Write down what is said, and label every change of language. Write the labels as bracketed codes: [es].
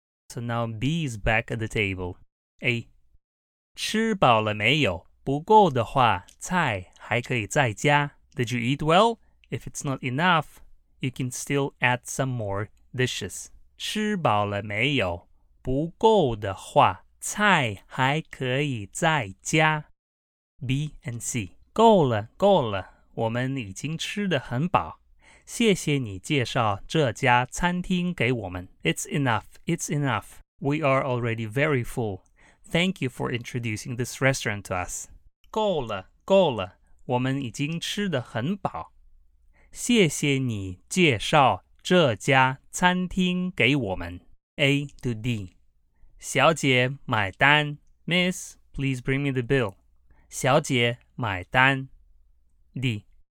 [en] So now B is back at the table. [zh] A. 吃饱了没有? 不够的话,菜还可以再加。 [en] Did you eat well? If it's not enough, you can still add some more dishes. [zh] 吃饱了没有？不够的话，菜还可以再加。 B and C， 够了，够了，我们已经吃得很饱。谢谢你介绍这家餐厅给我们。 [en] It's enough, it's enough. We are already very full. Thank you for introducing this restaurant to us. [zh] 够了，够了，我们已经吃得很饱。谢谢你介绍这家餐厅给我们。 A to D. 小姐买单。 [en] Miss, please bring me the bill. [zh] 小姐买单。 [en] D.